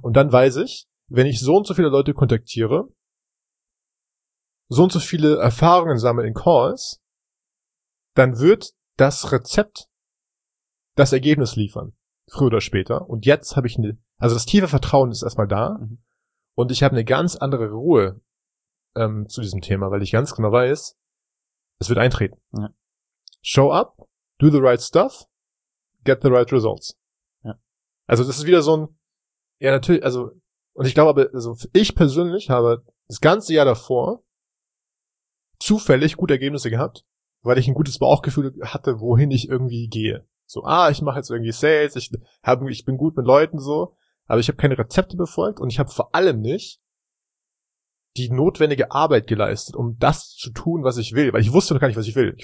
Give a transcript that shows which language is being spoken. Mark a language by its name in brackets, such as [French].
[German] Und dann weiß ich, wenn ich so und so viele Leute kontaktiere, so und so viele Erfahrungen sammle in Calls, dann wird das Rezept das Ergebnis liefern, früher oder später. Und jetzt habe ich eine, also das tiefe Vertrauen ist erstmal da, und ich habe eine ganz andere Ruhe zu diesem Thema, weil ich ganz genau weiß, es wird eintreten. Ja. [English] Show up, do the right stuff, get the right results. [German] Ja. Also das ist wieder so ein, ja natürlich, also, und ich glaube aber, also ich persönlich habe das ganze Jahr davor zufällig gute Ergebnisse gehabt, weil ich ein gutes Bauchgefühl hatte, wohin ich irgendwie gehe. So, ah, ich mache jetzt irgendwie Sales, ich bin gut mit Leuten so, aber ich habe keine Rezepte befolgt und ich habe vor allem nicht die notwendige Arbeit geleistet, um das zu tun, was ich will, weil ich wusste noch gar nicht, was ich will.